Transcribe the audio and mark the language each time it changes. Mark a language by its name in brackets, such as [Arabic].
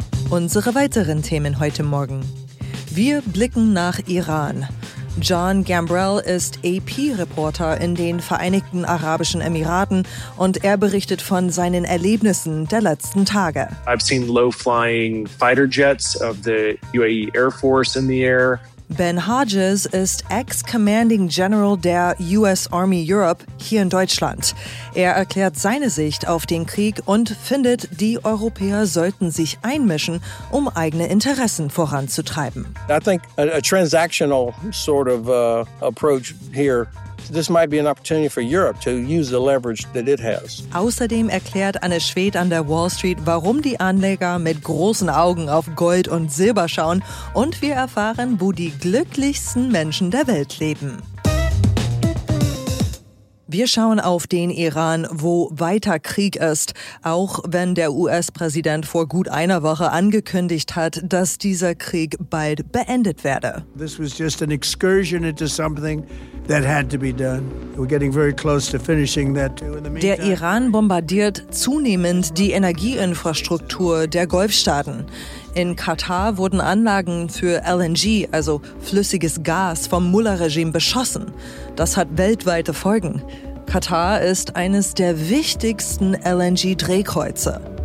[German] Unsere weiteren Themen heute Morgen. Wir blicken nach Iran. John Gambrell ist AP-Reporter in den Vereinigten Arabischen Emiraten und er berichtet von seinen Erlebnissen der letzten Tage. [English] I've seen low-flying fighter jets of the UAE Air Force in the air. [German] Ben Hodges ist Ex-Commanding General der US Army Europe hier in Deutschland. Er erklärt seine Sicht auf den Krieg und findet, die Europäer sollten sich einmischen, um eigene Interessen voranzutreiben. [English] I think a transactional sort of approach here. This might be an opportunity for Europe to use the leverage that it has. [German] Außerdem erklärt Anne Schwedt an der Wall Street, warum die Anleger mit großen Augen auf Gold und Silber schauen. Und wir erfahren, wo die glücklichsten Menschen der Welt leben. Wir schauen auf den Iran, wo weiter Krieg ist, auch wenn der US-Präsident vor gut einer Woche angekündigt hat, dass dieser Krieg bald beendet werde. [English] This was just an excursion into something that had to be done. We're getting very close to finishing that too. [German] Der Iran bombardiert zunehmend die Energieinfrastruktur der Golfstaaten. In Katar wurden Anlagen für LNG, also flüssiges Gas, vom Mullah-Regime beschossen. Das hat weltweite Folgen. Katar ist eines der wichtigsten LNG-Drehkreuze.